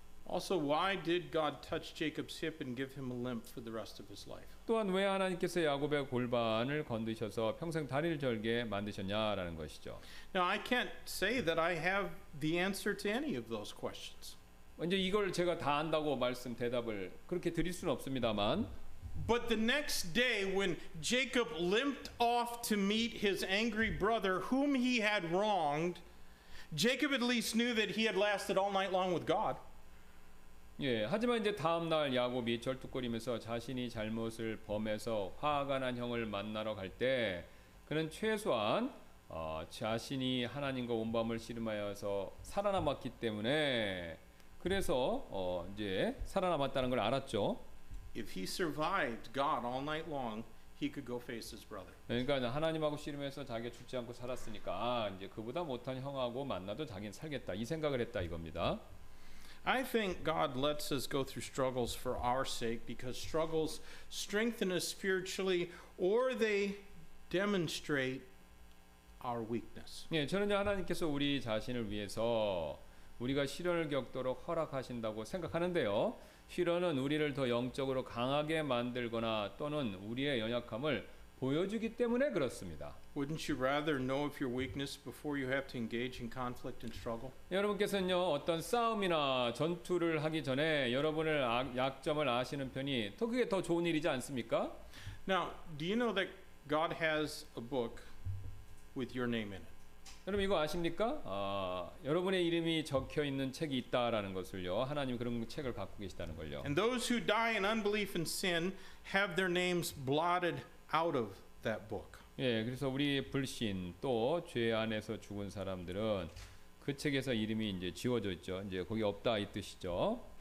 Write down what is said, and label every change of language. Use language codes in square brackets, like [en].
[en] Also, why did God touch Jacob's hip and give him a limp for the rest of his life? [ko] 또한 왜 하나님께서 야곱의 골반을 건드셔서 평생 다리를 절게 만드셨냐라는 것이죠. [en] Now, I can't say that I have the answer to any of those questions. [ko] 이제 이걸 제가 다 안다고 말씀 대답을 그렇게 드릴 수는 없습니다만. [en] But the next day, when Jacob limped off to meet his angry brother, whom he had wronged, Jacob at least knew that he had lasted all night long with God. [ko] 예, 하지만 이제 다음 날 야곱이 절뚝거리면서 자신이 잘못을 범해서 화가 난 형을 만나러 갈 때 그는 최소한 자신이 하나님과 온밤을 씨름하여서 살아남았기 때문에 그래서 이제 살아남았다는 걸 알았죠. [en] If he survived God all night long, he could go face his brother. [ko] 그러니까 하나님하고 씨름해서 자기가 죽지 않고 살았으니까 이제 그보다 못한 형하고 만나도 자기는 살겠다. 이 생각을 했다 이겁니다. [en] I think God lets us go through struggles for our sake because struggles strengthen us spiritually or they demonstrate our weakness. [ko] 예, 저는 하나님께서 우리 자신을 위해서 우리가 시련을 겪도록 허락하신다고 생각하는데요. 시련은 우리를 더 영적으로 강하게 만들거나 또는 우리의 연약함을 보여주기 때문에 그렇습니다. [en] Wouldn't you rather know of your weakness before you have to engage in conflict and struggle? [ko] 여러분께서는요, 어떤 싸움이나 전투를 하기 전에 여러분의 약점을 아시는 편이 더 그게 더 좋은 일이지 않습니까? [en] Now, do you know that God has a book with your name in it? [ko] 여러분 이거 아십니까? 여러분의 이름이 적혀 있는 책이 있다라는 것을요. 하나님 그런 책을 갖고 계시다는 걸요. [en] And those who die in unbelief and sin have their names blotted out of that book. [ko] 예, 그래서 우리 불신 또 죄 안에서 죽은 사람들은 그 책에서 이름이 이제 지워져 있죠. 이제 거기 없다 이 뜻이죠.